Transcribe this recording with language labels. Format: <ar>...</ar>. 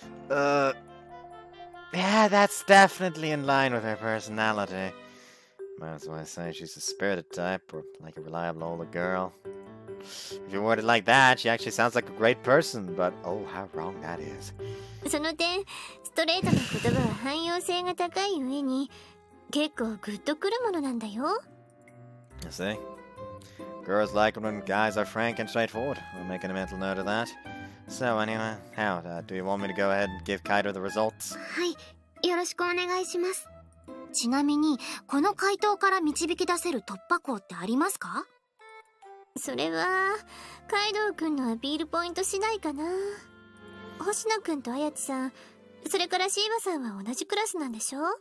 <en>Yeah, that's definitely in line with her personality. Might as well say she's a spirited type, or like a reliable older girl. If you word it like that, she actually sounds like a great person, but oh, how wrong that is.</en> <ja>その点、ストレートな言葉は汎用性が高い上に、結構グッとくるものなんだよ。</ja> <en>You see? Girls like when guys are frank and straightforward. We're making a mental note of that. So anyway, how, do you want me to go ahead and give Kaido the results?</en> <ja>はい、よろしくお願いします。ちなみに、この回答から導き出せる突破口ってありますか？それは、カイドウ君のアピールポイント次第かな。星野君とアヤチさん、それからシーバさんは同じクラスなんでしょ？</ja>